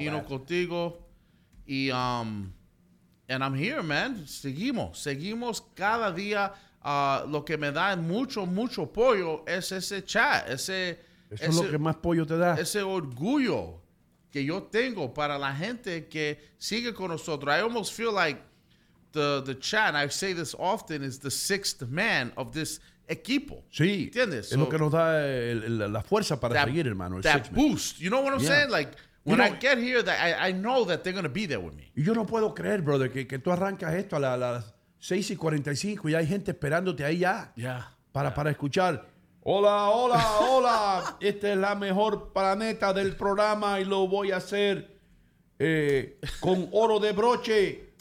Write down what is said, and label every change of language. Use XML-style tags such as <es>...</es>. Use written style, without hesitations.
<en>Hino Contigo.</en> <es>Y</es> <en>And I'm here, man.</en> <es>Seguimos cada día. Lo que me da mucho, mucho pollo es ese chat. Eso es lo que más pollo te da. Ese orgullo que yo tengo para la gente que sigue con nosotros.</es> <en>I almost feel like the chat, I say this often, is the sixth man of this equipo.</en> <es>Sí. ¿Entiendes? Es lo que nos da la fuerza para seguir, hermano.</es> <en>That boost. You know what I'm saying? Like, when I get here, that I know that they're going to be there with me.</en> <es>Y yo no puedo creer, brother, que tú arrancas esto a las 6:45 y hay gente esperándote ahí ya. Para escuchar. Hola, hola, hola. Esta es la mejor planeta del programa y lo voy a hacer con oro de broche.</es>